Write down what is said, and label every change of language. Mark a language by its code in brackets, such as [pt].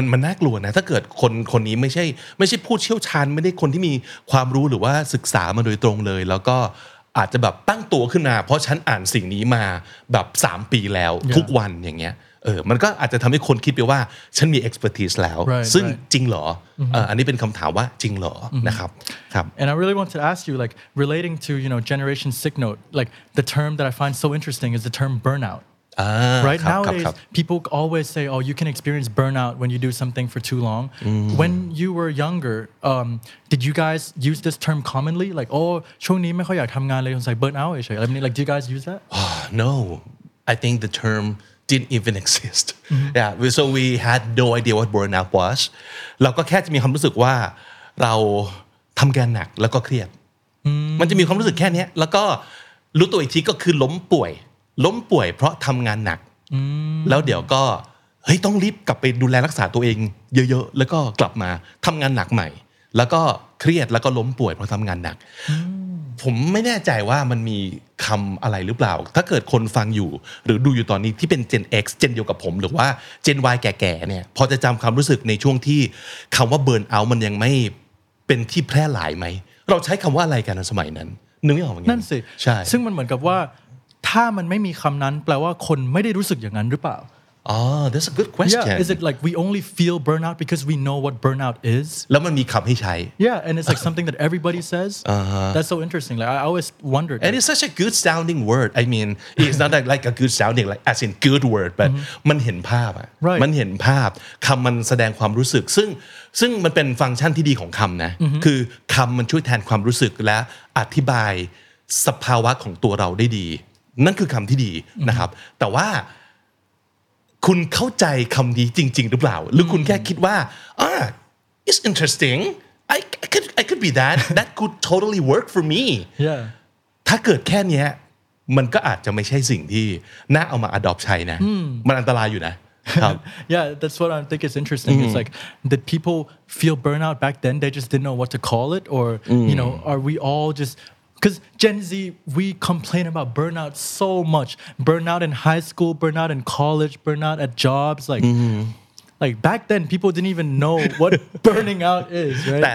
[th] มันน่ากลัวนะถ้าเกิดคนนี้ไม่ใช่ผู้เชี่ยวชาญไม่ได้คนที่มีความรู้หรือว่าศึกษามาโดยตรงเลยแล้วก็อาจจะแบบตั้งตัวขึ้นมาเพราะฉันอ่านสิ่งนี้มาแบบ3ปีแล้ว yeah. ทุกวันอย่างเงี้ยมันก็อาจจะทำให้คนคิดไปว่าฉันมี expertise แล้ว [en] right, [th] ซึ่ง [en] right. [th] จริงเหรอ อันนี้เป็นคำถามว่าจริงเหรอ นะครับครับ [en] And I really want to ask you like relating to you know generation sick note like the term that I find so interesting is the term burnoutright nowadays people always say oh you can experience burnout when you do something for too long when you were younger did you guys use this term commonly like oh [th] ช่วงนี้ไม่ค่อยอยากทำงานเลยสงสัย burn out ใช่ไหม [en] like do you guys use that no I think the term didn't even exist yeah so we had no idea what burnout was [th] เราก็แค่จะมีความรู้สึกว่าเราทำงานหนักแล้วก็เครียดมันจะมีความรู้สึกแค่นี้แล้วก็รู้ตัวอีกทีก็คือล้มป่วยเพราะทำงานหนักแล้วเดี๋ยวก็เฮ้ยต้องรีบกลับไปดูแลรักษาตัวเองเยอะๆแล้วก็กลับมาทำงานหนักใหม่แล้วก็เครียดแล้วก็ล้มป่วยเพราะทำงานหนัก ผมไม่แน่ใจว่ามันมีคำอะไรหรือเปล่าถ้าเกิดคนฟังอยู่หรือดูอยู่ตอนนี้ที่เป็น Gen X Gen เดียวกับผมหรือว่า Gen Y แก่ๆเนี่ยพอจะจำความรู้สึกในช่วงที่คำว่า Burnout มันยังไม่เป็นที่แพร่หลายไหมเราใช้คำว่าอะไรกันสมัยนั้นนึกไม่ออกเหมือนกันนั่นสิ ใช่ ซึ่งมันเหมือนกับว่าถ้ามันไม่มีคำนั้นแปลว่าคนไม่ได้รู้สึกอย่างนั้นหรือเปล่า [en] Oh, that's a good question. Yeah, is it like we only feel burnout because we know what burnout is? [th] แล้วมันมีคำให้ใช้ [en] Yeah, and it's like something that everybody says. That's so interesting. Like I always wondered. And it's such a good sounding word. I mean, it's not like a good sounding like as in good word, but [th] มันเห็นภาพอะ [en] Right. [th] มันเห็นภาพคำมันแสดงความรู้สึกซึ่งมันเป็นฟังก์ชันที่ดีของคำนะคือคำมันช่วยแทนความรู้สึกและอธิบายสภาวะของตัวเราได้ดีนั่นคือคำที่ดีนะครับแต่ว่าคุณเข้าใจคำนี้จริงๆหรือเปล่าหรือคุณแค่คิดว่า [en] it's interesting I could be that could totally work for me yeah [th] ถ้าเกิดแค่นี้ มันก็อาจจะไม่ใช่สิ่งที่น่าเอามา adopt ใช้นะมันอันตรายอยู่นะ [en] Yeah, that's what I think is interesting. It's like, did people feel burnout back then? They just didn't know what to call it? Or, you know, are we all just... Because Gen Z, we complain about burnout so much. Burnout in high school, burnout in college, burnout at jobs. Like, like back then, people didn't even know what burning out is, right?